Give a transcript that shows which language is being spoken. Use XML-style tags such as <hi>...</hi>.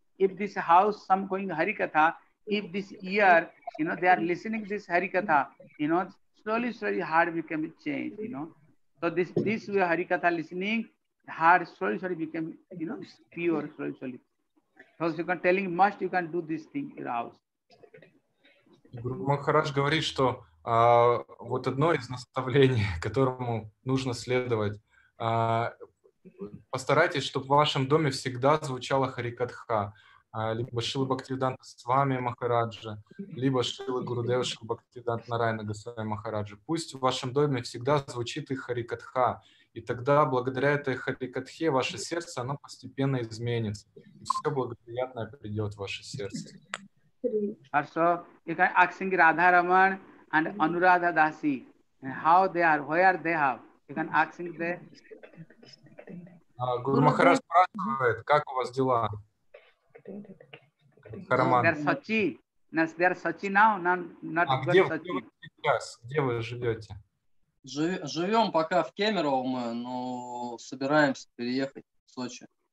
<en>If this house some going Harikatha, if this year, you know, they are listening this Harikatha, you know, slowly, slowly heart become changed, you know. So this way Harikatha listening, heart slowly, slowly become, you know, pure, slowly, slowly. So you can telling must you can do this thing in your house.</en> <ru>Guru Maharaj говорит, что вот одно из наставлений, которому нужно следовать, постарайтесь, чтобы в вашем доме всегда звучала Харикатха, либо Шрила Бхактивиданта Свами Махараджа, либо Шрила Гурудева Шрила Бхактивиданта Нарайана Госвами Махараджа. Пусть в вашем доме всегда звучит их Харикатха, и тогда благодаря этой Харикатхе ваше сердце оно постепенно изменится, и все благоприятное придет в ваше сердце. Хорошо.</ru> <en>You can ask Radha Raman and Anuradha Dasi, how they are, where they have. You can ask them.</en> <ru>Гуру Махарадж спрашивает, как у вас дела? Караман. Где вы живете? Живем пока в Кемерово мы, но собираемся переехать в Сочи.</ru>